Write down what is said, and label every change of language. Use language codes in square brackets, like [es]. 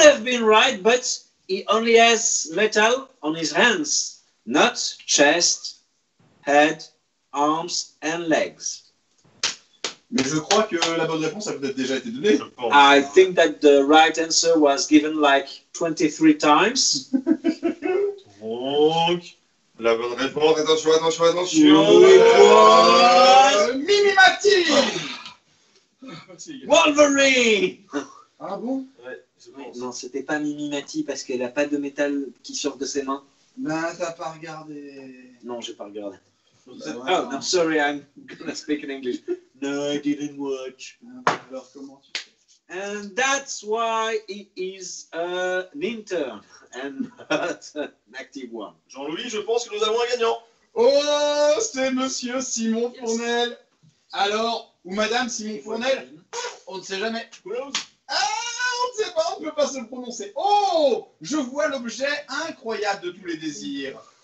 [en] have been right, but he only has metal on his hands, not chest, head, arms and legs. [fr] Mais je crois que la bonne réponse a peut-être déjà été donnée. [en] I think that the right answer was given like 23 times. [fr] Donc... La bonne réponse, attention. Mimimati. Wolverine. Ah bon, ouais, non, c'était pas Mimimati parce qu'elle a pas de métal qui sort de ses mains. Bah, t'as pas regardé. Non, j'ai pas regardé. [en] Oh, I'm sorry, I'm gonna speak in English. No, I didn't watch. [fr] Alors, comment tu fais? [en] And that's why he is an intern and not an active one. [fr] Jean-Louis, je pense que nous avons un gagnant. Oh, c'est monsieur Simon Fournel. Alors, ou madame Simon Fournel, on ne sait jamais. Ah, on ne sait pas, on ne peut pas se le prononcer. Oh, je vois l'objet incroyable de tous les désirs.